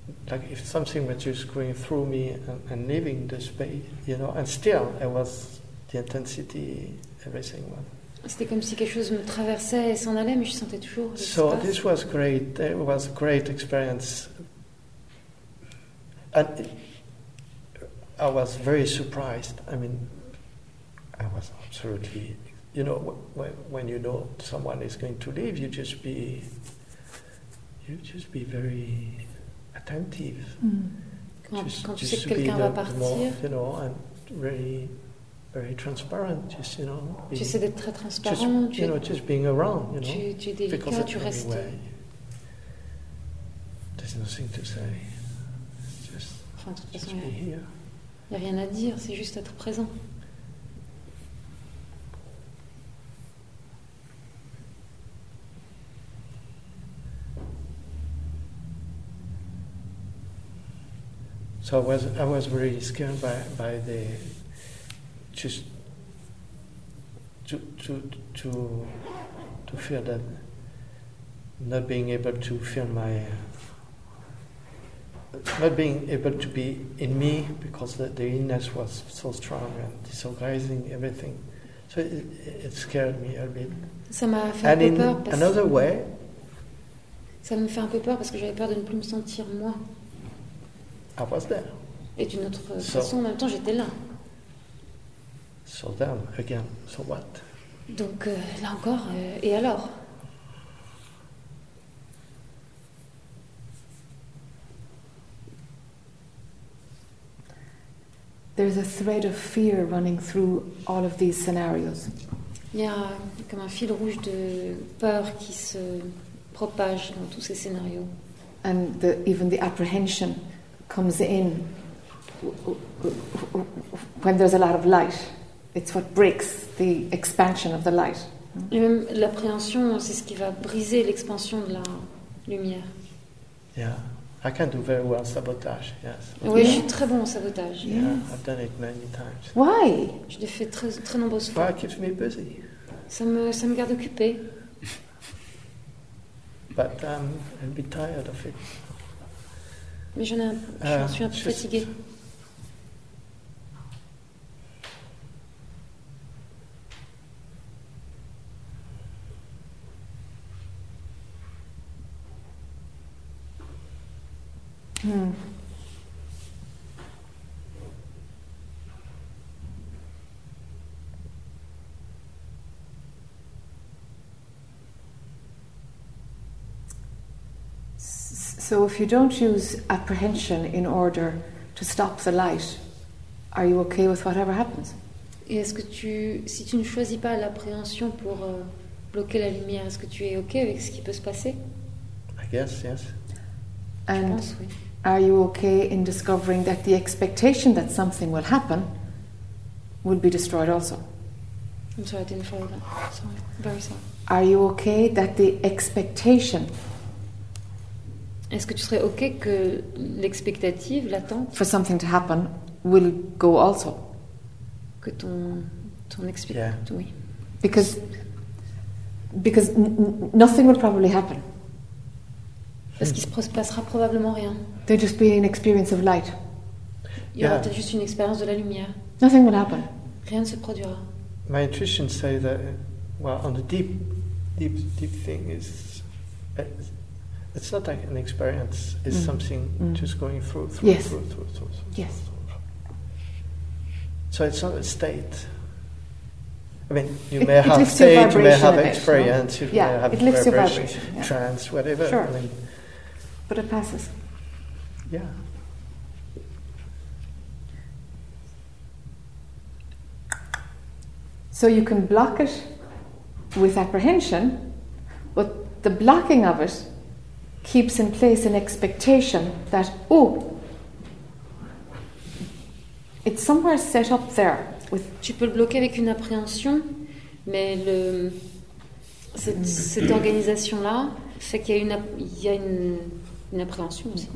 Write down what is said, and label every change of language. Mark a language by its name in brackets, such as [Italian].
[English] like if something was just going through me and leaving the space, you know, and still it was the intensity, everything was. [French] C'était comme si quelque chose me traversait et s'en allait, mais je sentais toujours. [English] So this was great. It was a great experience. And I was very surprised. I mean, I was absolutely, you know, when you know someone is going to leave, you just be very attentive. [French] Quand tu sais que quelqu'un va partir, [English] more, you know, and really very transparent, just, you know. [French] Tu sais d'être très transparent. [English] Just being around, you know. [French] Tu es délicat, [English] because [French] tu restes. [English] Anyway, there's nothing to say. [French] Il n'y a rien à dire, c'est juste être présent. [English] So I was very scared by the just to feel that not being able to feel my not being able to be in me because the illness was so strong and disorganizing everything, so it scared me a bit. [French] Ça m'a fait [English] and [French] un peu peur. [English] And in another way, [French] ça me fait un peu peur parce que j'avais peur de ne plus me sentir moi. [English] I was there. [French] Et d'une autre façon, en même temps, j'étais là. [English] So then again, so what? [French] Donc là encore, et alors? [English] There's a thread of fear running through all of these scenarios. [French] Il y a comme un fil rouge de peur qui se propage dans tous ces scénarios. [English] And even the apprehension comes in when there's a lot of light. It's what breaks the expansion of the light. [French] Et même l'appréhension, c'est ce qui va briser l'expansion de la lumière. [English] Yeah. I can do very well sabotage, yes. [French] Oui, yeah. Je suis très bon en sabotage. [English] Yeah, yes. I've done it many times. Why? [French] Je l'ai fait très, très nombreuses fois. [English] It keeps me busy. [French] Ça me garde occupé. [English] But I'm a bit tired of it. [French] Mais je suis un peu fatigué. [English] So if you don't use apprehension in order to stop the light, are you okay with whatever happens? [French] Et est-ce que si tu ne choisis pas l'appréhension pour bloquer la lumière, est-ce que tu es okay avec ce qui peut se passer? [English] I guess, yes. And [French] je pense, oui. [English] Are you okay in discovering that the expectation that something will happen will be destroyed also? I'm sorry, I didn't follow that. Sorry, very sorry. Are you okay that the expectation? [French] Est-ce que tu serais okay que l'expectative, l'attente, [English] for something to happen will go also? [French] Que ton [English] expectation, [French] oui. [English] Because nothing will probably happen. [French] Parce qu'il ne se passera probablement rien. [English] There'll just be an experience of light. [French] Il y aura peut-être juste une expérience de la lumière. [English] Nothing will happen. [French] Rien ne se produira. [English] My intuition says that, well, on the deep, deep, deep thing is, it's not like an experience. It's something just going through. Yes. So it's not a state. I mean, you may have state, you may have experience, you may have vibration, trance, whatever. Sure. I mean, but it passes. Yeah. So you can block it with apprehension, but the blocking of it keeps in place an expectation that, oh, it's somewhere set up there. [French] Tu peux le bloquer avec une appréhension, mais cette organisation-là fait qu'il y a une appréhension aussi.